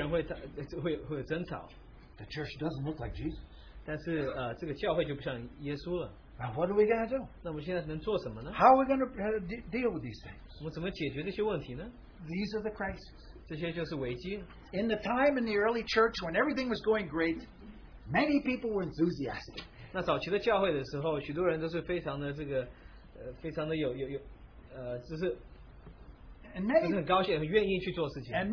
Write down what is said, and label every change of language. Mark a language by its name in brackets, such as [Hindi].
[Chinese] 那结果就是有些人会争吵。 [English] The church doesn't look like Jesus. [Chinese] 但是这个教会就不像耶稣了。 [English] Now what are we going to do? [Chinese] 那我们现在能做什么呢? [English] How are we going to deal with these things? [Chinese] 我们怎么解决这些问题呢? [English] These are the crises. [Chinese] 这些就是危机。 [English] In the time in the early church when everything was going great, many people were enthusiastic. [Chinese] 那早期的教会的时候，许多人都是非常的这个，非常的有，就是，很高兴，很愿意去做事情。And